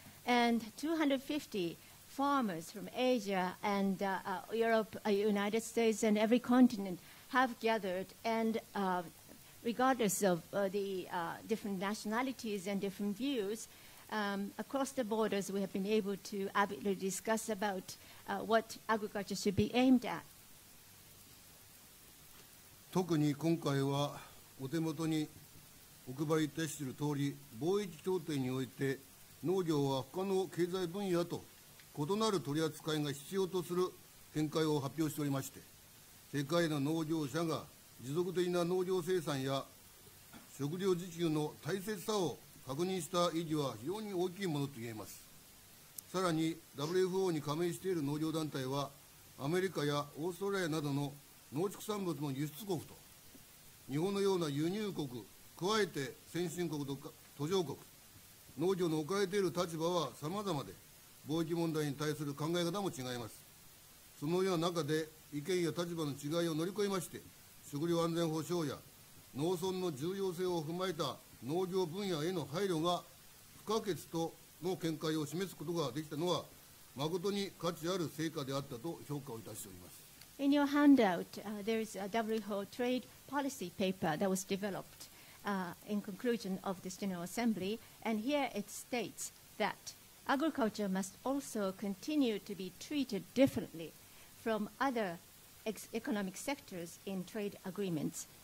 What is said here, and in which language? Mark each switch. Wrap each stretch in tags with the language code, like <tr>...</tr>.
<en>And 250 farmers from Asia and Europe, United States, and every continent have gathered. And regardless of the different nationalities and different views, across the borders, we have been able to avidly discuss about what agriculture should be aimed at.</en> <ja>特に今回はお手元にお配りいたしているとおり、貿易協定において農業は他の経済分野と異なる取り扱いが必要とする見解を発表しておりまして、世界の農業者が持続的な農業生産や食料自給の大切さを確認した意義は非常に大きいものと言えます。さらに WFO に加盟している農業団体はアメリカやオーストラリアなどの農畜産物の輸出国と日本のような輸入国、加えて先進国とか途上国、農業の置かれている立場は様々で、貿易問題に対する考え方も違います。そのような中で意見や立場の違いを乗り越えまして、食料安全保障や農村の重要性を踏まえた農業分野への配慮が不可欠との見解を示すことができたのは、誠に価値ある成果であったと評価をいたしております。</ja> <en>In your handout, there is a WHO trade policy paper that was developed in conclusion of this General Assembly, and here it states that agriculture must also continue to be treated differently from other economic sectors in trade agreements.</en>